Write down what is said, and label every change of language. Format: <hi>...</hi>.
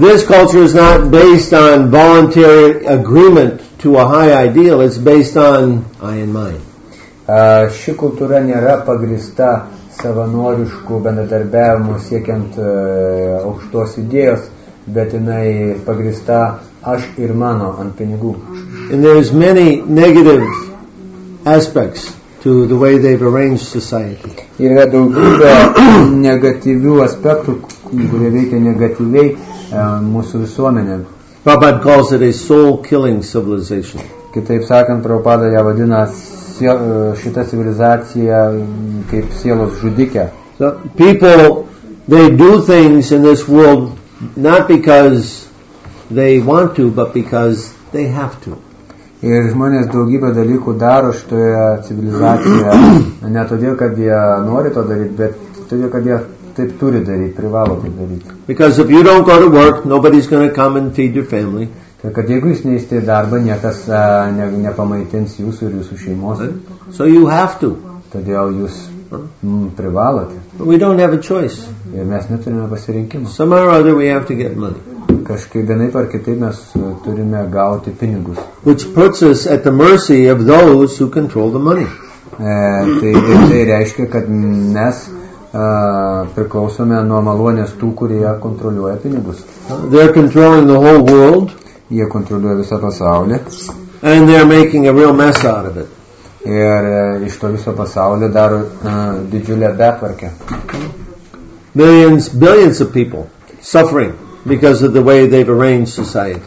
<en>This culture is not based on voluntary agreement to a high ideal, it's based on I and mine.</en> <lt>Ši kultūra nėra pagrįsta savanoriškų bendradarbiavimų siekiant aukštos idėjos, bet jinai pagrįsta aš ir mano ant pinigų.</lt> <en>And there is many negative aspects to the way they've arranged society.</en> <lt>Ir yra daugybė negatyvių aspektų, kurie veikia negatyviai mūsų visuomenė.</lt> <en>Prabhupada calls it a soul-killing civilization.</en> <lt>Kitaip sakant, Prabhupada ją vadina šita civilizacija kaip sielos žudikė.</lt> <en>So people, they do things in this world not because they want to, but because they have to.</en> <lt>Ir žmonės daugybę dalykų daro šitoje civilizacijoje ne todėl, kad jie nori to daryti, bet todėl, kad jie taip turi daryti, privalo tai daryti.</lt> <en>Because if you don't go to work, nobody's going to come and feed your family.</en> <lt>Kad jeigu jūs neįstėjai darbą, niekas nepamaitins jūsų ir jūsų šeimos.</lt> <en>So you have to.</en> <lt>Todėl jūs privalote.</lt> <en>But we don't have a choice.</en> <lt>Ir mes neturime pasirinkimą.</lt> <en>Somehow or other we have to get money.</en> <lt>Kažkai vienaip ar kitaip mes turime gauti pinigus.</lt> <en>Which puts us at the mercy of those who control the money.</en> <lt>Tai reiškia, kad mes priklausome nuo malonės tų, kurie kontroliuoja pinigus.</lt> <en>They're controlling the whole world.</en> <lt>Jie kontroliuoja visą pasaulį.</lt> <en>And they're making a real mess out of it.</en> <lt>Ir iš to viso pasaulio daro didžiulę betvarkę.</lt> <en>millions, billions of people suffering because of the way they've arranged society.</en>